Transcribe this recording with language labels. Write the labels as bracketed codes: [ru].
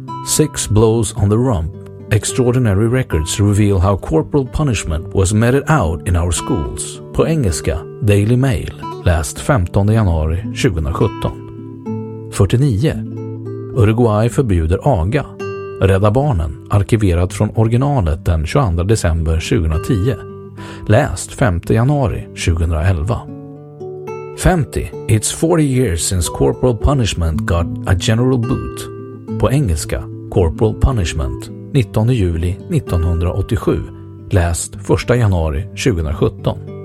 [en] Six Blows on the Rump, Extraordinary Records Reveal How Corporal Punishment Was Meted Out in Our Schools, [sv] på engelska, [en] Daily Mail, [sv] läst 15 januari 2017. [en] 49. [sv] Uruguay förbjuder aga. Rädda Barnen, arkiverat från originalet den 22 december 2010. läst 5 januari 2011. [en] 50, it's 40 years since corporal punishment got a general boot. [sv] På engelska, corporal punishment, 19 juli 1987, läst 1 januari 2017.